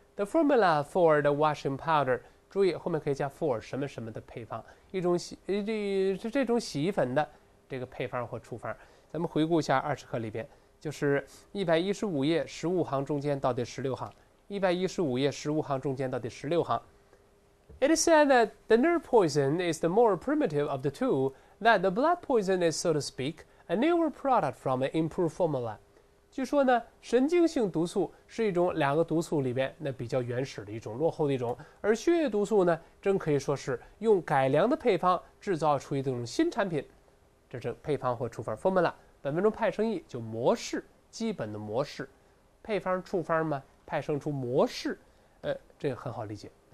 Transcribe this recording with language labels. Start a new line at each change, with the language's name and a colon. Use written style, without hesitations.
English: The formula for the washing powder，
Chinese: 注意后面可以加 for 什么什么的配方，这种洗衣粉的这个配方或处方。咱们回顾一下二十课里边，就是115页15行中间到第16行，115页15行中间到第16行。
English: It is said that the nerve poison is the more primitive of the two, that the blood poison is, so to speak, a newer product from an improved formula.
Chinese: 据说呢，神经性毒素是一种两个毒素里边那比较原始的一种、落后的一种，而血液毒素呢，真可以说是用改良的配方制造出一种新产品。这是配方或处方 formula。本文中派生意就模式，基本的模式，配方、处方嘛，派生出模式，这个很好理解。